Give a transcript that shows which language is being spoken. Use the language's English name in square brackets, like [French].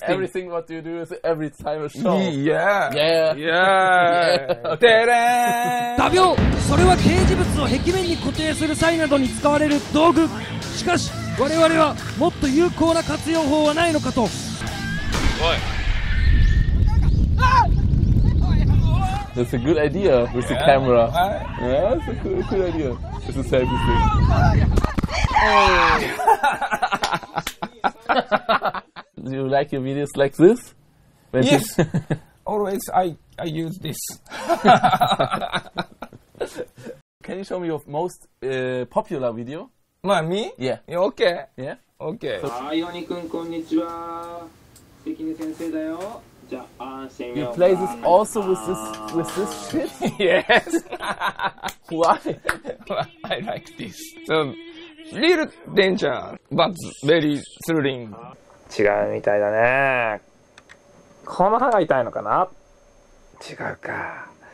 [English] Everything what you do is every time a show. Yeah. Yeah. Yeah. Okay. [Estonian] Tere! [Japanese] ダビオ、それは掲示物を壁面に固定する際などに使われる道具。しかし、我々はもっと有効な活用法はないのかと。おい。 [English] That's a good idea with the camera. Yeah, that's a good idea. It's a safety thing. Do you like your videos like this? When yes. Always I use this. Can you show me your most popular video? [Japanese] まあ、me? [English] Yeah. Okay. Yeah. Okay. [Japanese] はい、ヨニ君、こんにちは。関根先生だよ。じゃあ、安心 [English] よ。You play this also with this shit? Yes. Why? I like this. So, little danger, but very thrilling. [Japanese] 違うみたいだね。この歯が痛いのかな？違うか。